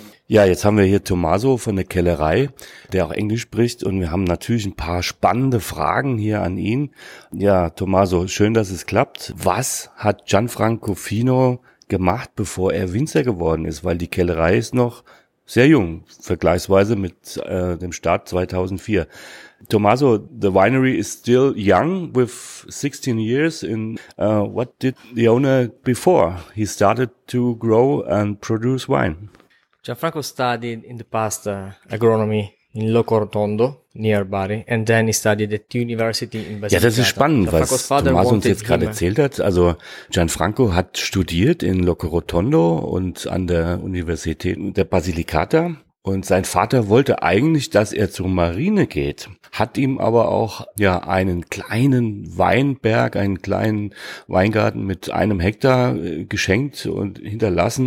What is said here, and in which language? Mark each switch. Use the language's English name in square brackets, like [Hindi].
[German] Ja, jetzt haben wir hier Tommaso von der Kellerei, der auch Englisch spricht, und wir haben natürlich ein paar spannende Fragen hier an ihn. Ja, Tommaso, schön, dass es klappt. Was hat Gianfranco Fino gemacht, bevor er Winzer geworden ist? Weil die Kellerei ist noch sehr jung, vergleichsweise mit dem Start 2004. [English] Tommaso, the winery is still young with 16 years in, what did the owner before? He started to grow and produce wine. Gianfranco studied in the past agronomy in Loco Rotondo, near Bari, and then he studied at the university in Basilicata. [German] Ja, das ist spannend, was Tommaso uns jetzt gerade erzählt hat. Also Gianfranco hat studiert in Loco Rotondo und an der Universität der Basilicata. Und sein Vater wollte eigentlich, dass er zur Marine geht, hat ihm aber auch ja einen kleinen Weinberg, einen kleinen Weingarten mit einem Hektar geschenkt und hinterlassen.